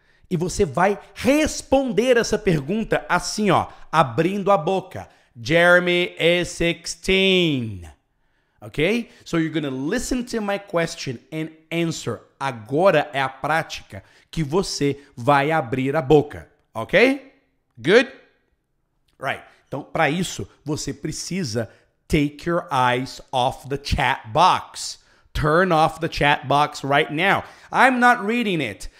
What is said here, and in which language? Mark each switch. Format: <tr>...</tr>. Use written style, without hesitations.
<pt>E você vai responder essa pergunta assim, ó, abrindo a boca.</pt> <en>Jeremy is 16. Okay? So you're going to listen to my question and answer.</en> <pt>Agora é a prática que você vai abrir a boca.</pt> <en>Okay? Good? Right.</en> <pt>Então, para isso, você precisa</pt> <en>take your eyes off the chat box. Turn off the chat box right now. I'm not reading it.</en>